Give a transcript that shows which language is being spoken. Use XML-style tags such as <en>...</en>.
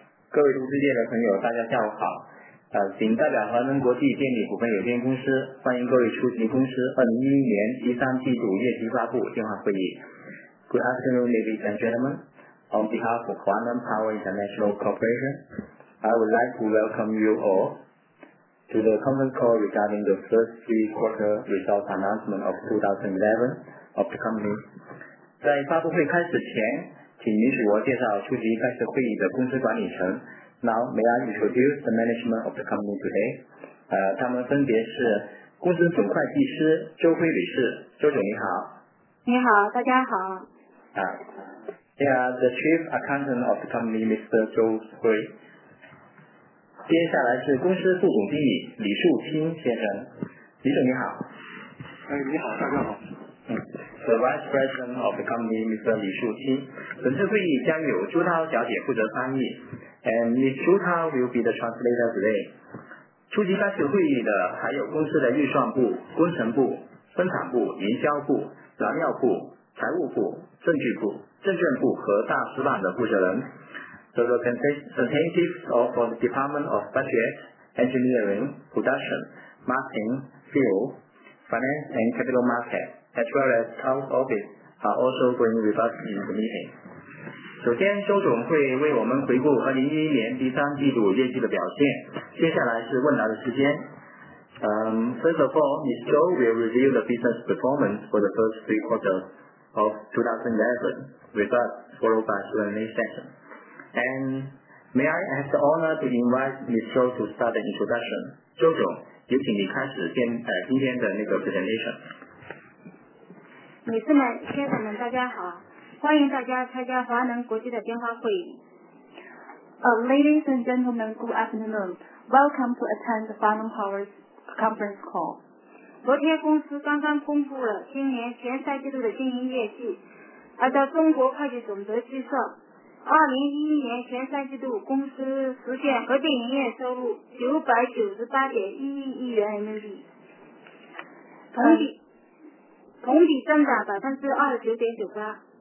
<zh>各位投资界的朋友，大家下午好。谨代表华能国际电力股份有限公司，欢迎各位出席公司2011年第三季度业绩发布电话会议。</zh> <en>Good afternoon, ladies and gentlemen. On behalf of Huanan Power International Corporation, I would like to welcome you all to the conference call regarding the first three quarter results announcement of 2011 of the company.</en> <zh>在发布会开始前，请允许我介绍出席该次会议的公司管理层。</zh> <en>Now, may I introduce the management of the company today?</en> <zh>他们分别是公司总会计师周辉女士。周总你好。你好，大家好。</zh> <en>They are the chief accountant of the company, Mr. Zhou Hui.</en> <zh>接下来是公司副总经理李树清先生。李总你好。哎，你好，大家好。</zh> <en>The vice president of the company, Mr. 李树清。</en> <zh>本次会议将由朱涛小姐负责翻译。</zh> <en>And Ms. Zhu Tao will be the translator today.</en> <zh>出席该次会议的还有公司的预算部、工程部、生产部、营销部、燃料部、财务部、证据部、证券部和大使馆的负责人。</zh> <en>The representatives of the Department of Budget, Engineering, Production, Marketing, Fuel, Finance and Capital Market, as well as Town Office are also going with us in the meeting.</en> <zh>首先周总会为我们回顾2011年第三季度业绩的表现，接下来是问答的时间。</zh> <en>First of all, Ms. Zhou will review the business performance for the first three quarters of 2011 with us, followed by Q&A session. And may I have the honor to invite Ms. Zhou to start the introduction.</en> <zh>周总，有请你开始今天的那个 presentation。女士们，先生们，大家好。欢迎大家参加华能国际的电话会议。</zh> <en>Ladies and gentlemen, good afternoon. Welcome to attend the Huanan Power conference call.</en> <zh>昨天公司刚刚公布了今年前三季度的经营业绩。按照中国会计总则计算，2011年前三季度公司实现合并营业收入 998.11 亿元人民币，同比增长 29.98%。</zh>